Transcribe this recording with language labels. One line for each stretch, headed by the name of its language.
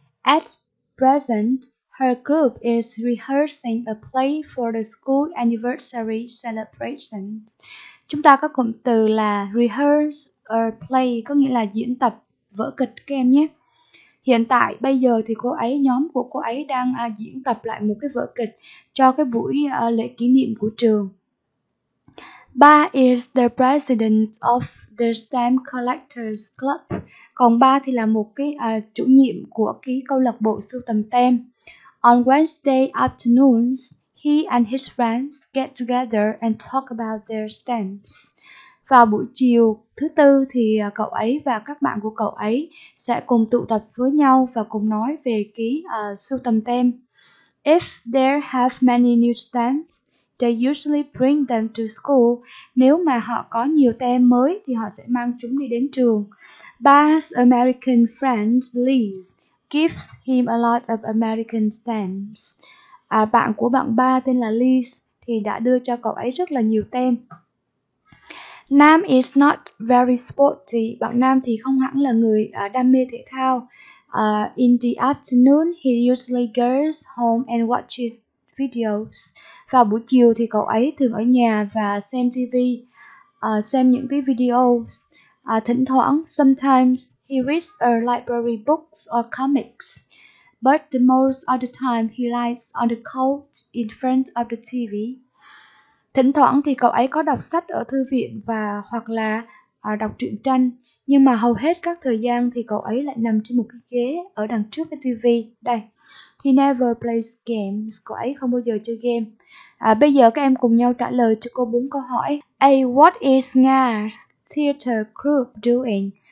English: At present, her group is rehearsing a play for the school anniversary celebration.
Vietnamese: Chúng ta có cụm từ là rehearse a play, có nghĩa là diễn tập vở kịch các em nhé. Hiện tại, bây giờ thì nhóm của cô ấy đang diễn tập lại một cái vở kịch cho cái buổi lễ kỷ niệm của trường.
English: Ba is the president of the Stamp Collectors Club.
Vietnamese: Còn ba thì là một cái chủ nhiệm của cái câu lạc bộ sưu tầm tem.
English: On Wednesday afternoons, he and his friends get together and talk about their stamps.
Vietnamese: Vào buổi chiều thứ tư thì cậu ấy và các bạn của cậu ấy sẽ cùng tụ tập với nhau và cùng nói về ký sưu tầm tem.
English: If they have many new stamps, they usually bring them to school.
Vietnamese: Nếu mà họ có nhiều tem mới thì họ sẽ mang chúng đi đến trường.
English: Ba's American friend Liz gives him a lot of American stamps.
Vietnamese: Bạn của bạn ba tên là Liz thì đã đưa cho cậu ấy rất là nhiều tem.
English: Nam is not very sporty.
Vietnamese: Bạn Nam thì không hẳn là người đam mê thể thao.
English: In the afternoon, he usually goes home and watches videos.
Vietnamese: Vào buổi chiều thì cậu ấy thường ở nhà và xem TV, xem những cái videos. Thỉnh thoảng,
English: sometimes he reads a library books or comics. But the most of the time, he lies on the couch in front of the TV.
Vietnamese: Thỉnh thoảng thì cậu ấy có đọc sách ở thư viện và hoặc là đọc truyện tranh. Nhưng mà hầu hết các thời gian thì cậu ấy lại nằm trên một cái ghế ở đằng trước cái TV. Đây,
English: he never plays games.
Vietnamese: Cậu ấy không bao giờ chơi game. Bây giờ các em cùng nhau trả lời cho cô 4 câu hỏi. A.
English: What is Nga's theater group doing?